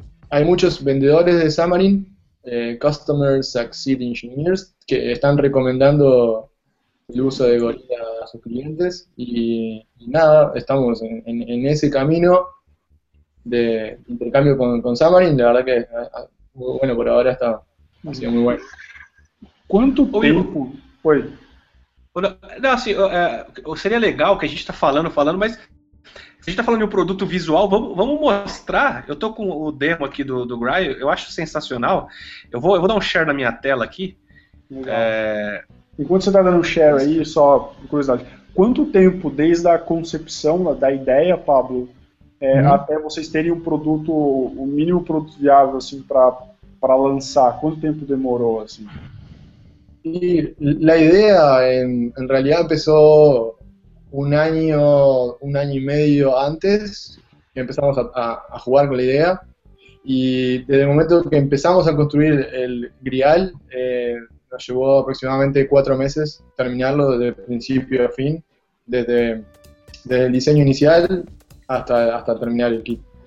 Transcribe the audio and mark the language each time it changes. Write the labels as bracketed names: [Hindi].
[Spanish] Hay muchos vendedores de Xamarin, Customer Success Engineers, que están recomendando el uso de Gorilla a sus clientes y nada, estamos en ese camino de intercambio con Xamarin. La verdad que bueno, por ahora ha sido muy bueno. ¿Cuánto tiempo? Oye, [Portuguese] Não, assim, seria legal que a gente está falando, mas se a gente está falando de um produto visual, vamos mostrar. Eu estou com o demo aqui do Grail, eu acho sensacional. Eu vou dar um share na minha tela aqui. Legal. Enquanto você está dando um share aí, só curiosidade, quanto tempo desde a concepção da ideia, Pablo, até vocês terem um produto, o um mínimo produto viável assim, para lançar? Quanto tempo demorou assim? [Spanish] La idea en realidad empezó un año y medio antes que empezamos a jugar con la idea, y desde el momento que empezamos a construir el Grial nos llevó aproximadamente 4 meses terminarlo desde principio a fin, desde el diseño inicial hasta terminar el kit.